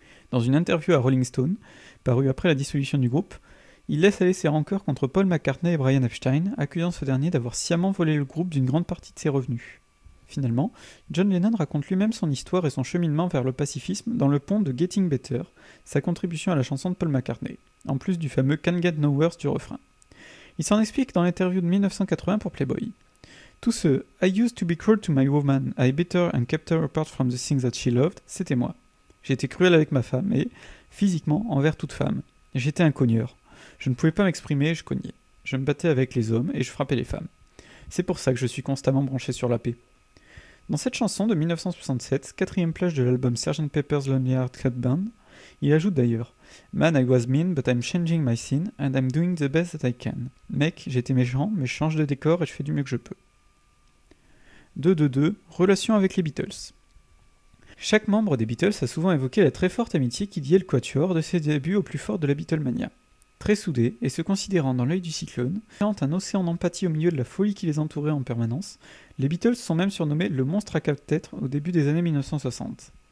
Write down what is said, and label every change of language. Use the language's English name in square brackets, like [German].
[French] Dans une interview à Rolling Stone, parue après la dissolution du groupe, il laisse aller ses rancœurs contre Paul McCartney et Brian Epstein, accusant ce dernier d'avoir sciemment volé le groupe d'une grande partie de ses revenus. Finalement, John Lennon raconte lui-même son histoire et son cheminement vers le pacifisme dans le pont de Getting Better, sa contribution à la chanson de Paul McCartney, en plus du fameux Can't Get No Worse du refrain. Il s'en explique dans l'interview de 1980 pour Playboy. Tout ce [English] « I used to be cruel to my woman, I bit her and kept her apart from the things that she loved », [French] c'était moi. J'étais cruel avec ma femme et, physiquement, envers toute femme. J'étais un cogneur. Je ne pouvais pas m'exprimer, je cognais. Je me battais avec les hommes et je frappais les femmes. C'est pour ça que je suis constamment branché sur la paix. Dans cette chanson de 1967, quatrième plage de l'album Sgt. [English] Pepper's Lonely Hearts Club Band, [French] il ajoute d'ailleurs [English] « Man, I was mean, but I'm changing my sin, and I'm doing the best that I can. [French] Mec, j'étais méchant, mais je change de décor et je fais du mieux que je peux. » 2-2-2, relation avec les Beatles. Chaque membre des Beatles a souvent évoqué la très forte amitié qui liait le quatuor de ses débuts au plus fort de la Beatlemania. Très soudés et se considérant dans l'œil du cyclone, créant un océan d'empathie au milieu de la folie qui les entourait en permanence, les Beatles sont même surnommés le monstre à quatre têtes au début des années 1960.